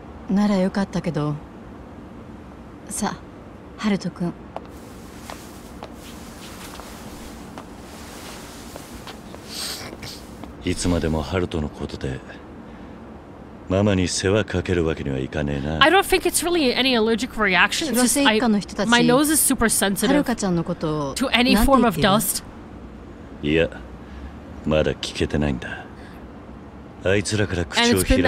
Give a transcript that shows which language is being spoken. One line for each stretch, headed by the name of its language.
Japanese: ならよかったけど。さあ、ハルト君。いつまでもハルトのことで、ママに世話かけるわけにはいかねえな。
English: I don't think it's really any allergic reaction. It's just,
Japanese: 広瀬一家の人たち、
English: my nose is super sensitive.
Japanese: ハルカちゃんのことを、
English: to any form of dust.
Japanese: いや。まだ聞けてないんだ。あいつらから口を開くまで。